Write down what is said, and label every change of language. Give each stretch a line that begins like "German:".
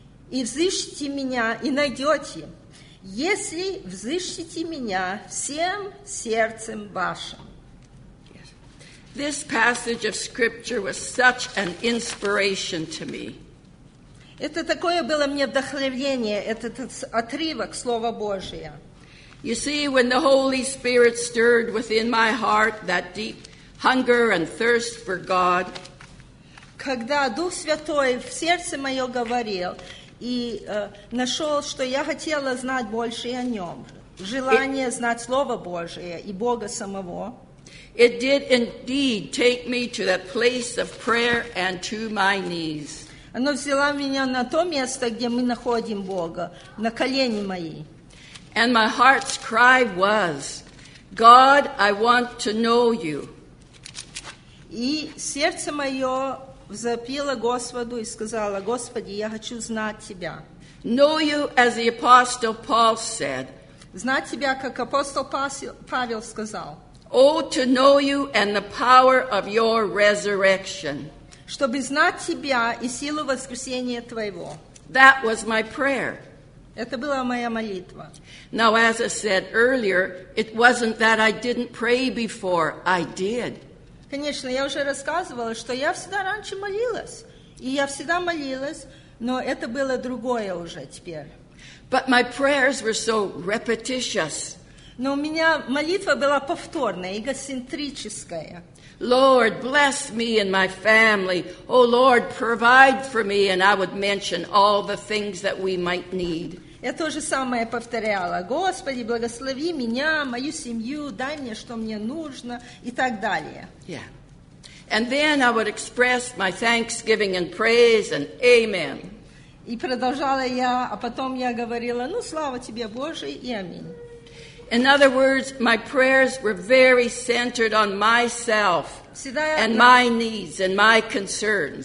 Russian: Изыщите меня и найдете, если взыщите меня всем сердцем вашим.
English: This passage of scripture was such an inspiration to me.
Russian: Это такое было мне вдохновение, этот отрывок Слова Божия.
English: You see, when the Holy Spirit stirred within my heart that deep hunger and thirst for God,
Russian: когда Дух Святой в сердце мое говорил и нашел, что я хотела знать больше о нем, желание знать Слово Божие и Бога самого,
English: it did indeed take me to that place of prayer and to my knees.
Russian: Оно взяло меня на то место, где мы находим Бога, на колени мои.
English: And my heart's cry was, God, I want to know you.
Russian: И сердце мое взопило Господу и сказала, Господи, я хочу знать Тебя.
English: Know you as the Apostle Paul said.
Russian: Знать Тебя, как апостол Павел сказал.
English: Oh, to know you and the power of your resurrection.
Russian: Чтобы знать Тебя и силу воскресения Твоего.
English: That was my prayer.
Russian: Это была моя молитва.
English: Now, as I said earlier, it wasn't that I didn't pray before, I did.
Russian: Конечно, я уже рассказывала, что я всегда раньше молилась. И я всегда молилась, но это было другое уже теперь.
English: But my prayers were so repetitious.
Russian: Но у меня молитва была повторная, эгоцентрическая.
English: Lord, bless me and my family. Oh, Lord, provide for me, and I would mention all the things that we might need.
Russian: Я то же самое повторяла. Господи, благослови меня, мою семью, дай мне, что мне нужно, и так далее.
English: Yeah. And then I would express my thanksgiving and praise and amen.
Russian: И продолжала я, а потом я говорила, ну, слава тебе, Боже, и аминь.
English: In other words, my prayers were very centered on myself and my needs and my concerns.